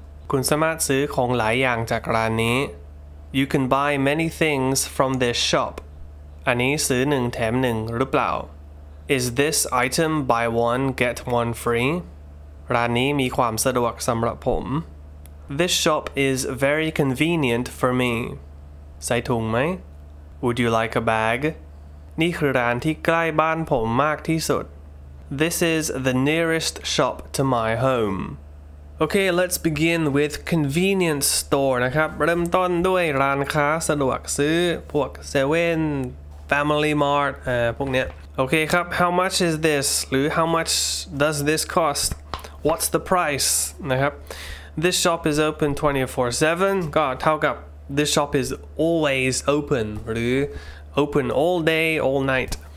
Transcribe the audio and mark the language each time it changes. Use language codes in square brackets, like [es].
[th] คุณสามารถซื้อของหลายอย่างจากร้านนี้ [en] You can buy many things from this shop. [th] อันนี้ซื้อ1แถม1หรือเปล่า [en] Is this item buy one get one free? [th] ร้านนี้มีความสะดวกสำหรับผม [en] This shop is very convenient for me. [th] ใส่ถุงไหม [en] Would you like a bag? [th] นี่คือร้านที่ใกล้บ้านผมมากที่สุด [en] This is the nearest shop to my home. Okay, let's begin with convenience store [th] นะครับเริ่มต้นด้วยร้านค้าสะดวกซื้อพวกเซเว่น [en] Family Mart [th] พวกเนี้ยโอเคครับ [en] How much is this หรือ How much does this cost What's the price นะครับ This shop is open 24/7 [th] ก็เท่ากับ [en] This shop is always open หรือ open all day all night